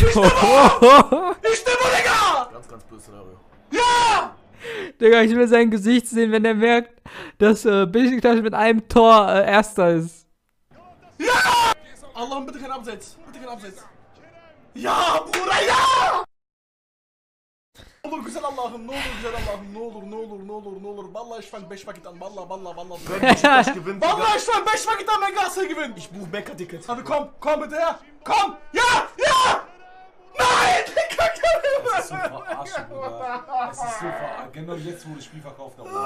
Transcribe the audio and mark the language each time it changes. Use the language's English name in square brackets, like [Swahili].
[German] Ich stimme, Digga! Ganz, ganz böse Szenario. Ja! Digga, ich will sein Gesicht sehen, wenn er merkt, dass Beşiktaş mit einem Tor Erster ist. Ja! Allah, bitte kein Abseits! Bitte kein Abseits! Ja, Bruder, ja! [Turkish] Nolur, güzel Allah'ım, nolur, güzel Allah'ım, nolur, nolur, nolur, nolur. [German] Vallahi ich fang 5 vakit an, vallahi. Vallahi ich fang 5 vakit an, ben Galatasaray gewinnt. Ich buch Mekka Ticket. Hadi komm, komm bitte her! Komm! Ja! Ja! Das ist so verarscht, Bruder. Genau jetzt wurde das Spiel verkauft.